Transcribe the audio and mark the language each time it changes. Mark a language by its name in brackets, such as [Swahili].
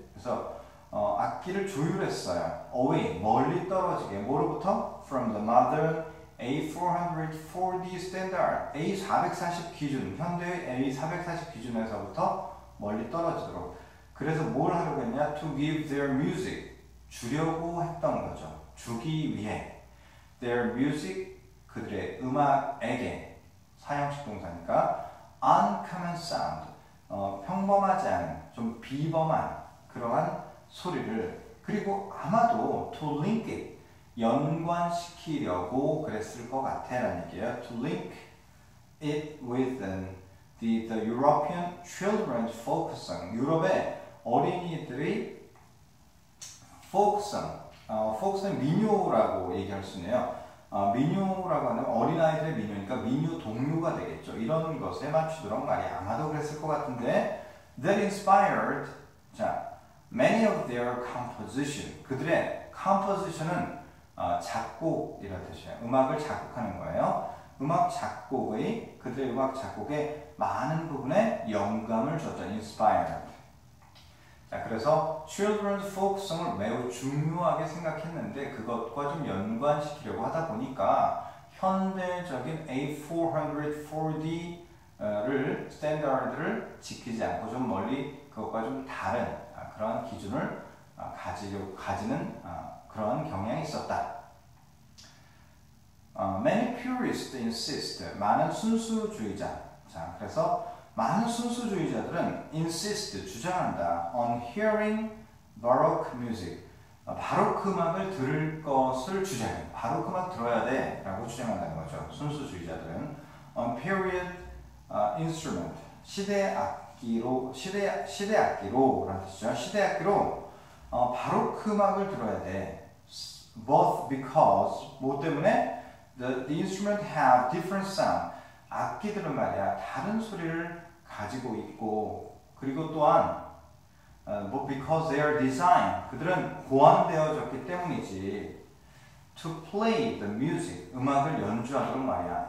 [Korean] 그래서 악기를 조율했어요. [English] Away, [Korean] 멀리 떨어지게. 뭐로부터? [English] From the modern A440 standard. [Korean] A440 기준, 현대의 A440 기준에서부터 멀리 떨어지도록. 그래서 뭘 하려고 했냐? [English] To give their music. [Korean] 주려고 했던 거죠. 주기 위해. [English] Their music. [Korean] 그들의 음악에게. 사형식 동사니까. [English] Uncommon sound. [Korean] 평범하지 않은. 좀 비범한. 그러한 소리를. 그리고 아마도 [English] to link it. [Korean] 연관시키려고 그랬을 것 같아라는 얘기예요. [English] To link it with the European children's focus song. [Korean] 유럽의 어린이들이 focus song. focus song은 민요라고 얘기할 수 있네요. 민요라고 하는 어린아이들의 민요니까 민요 동요가 되겠죠. 이런 것에 맞추도록 말이 아마도 그랬을 것 같은데. [English] That inspired 자, many of their composition. [Korean] 그들의 composition은 작곡이라는 뜻이에요. 음악을 작곡하는 거예요. 음악 작곡의 그들의 음악 작곡에 많은 부분에 영감을 줬죠. [English] Inspired. [Korean] 자, 그래서 Children's Folk Song을 매우 중요하게 생각했는데 그것과 좀 연관시키려고 하다 보니까 현대적인 A440D를 스탠다드를 지키지 않고 좀 멀리 그것과 좀 다른 그런 기준을 가지는 그런 경향이 있었다. [English] Many purists insist. [Korean] 많은 순수주의자. 자, 그래서 많은 순수주의자들은 insist, 주장한다. [English] On hearing Baroque music. [Korean] 바로크 음악을 들을 것을 주장해. 바로크 음악 들어야 돼. 라고 주장한다는 거죠. 순수주의자들은. [English] On period instrument. [Korean] 시대 악기로, 시대 악기로라는 뜻이죠. 시대 악기로 바로크 음악을 들어야 돼. [English] Both because, [Korean] 뭐 때문에? [English] The instrument have different sound. [Korean] 악기들은 말이야, 다른 소리를 가지고 있고, 그리고 또한, [English] because they are designed. [Korean] 그들은 고안되어졌기 때문이지. [English] To play the music. [Korean] 음악을 연주하도록 말이야.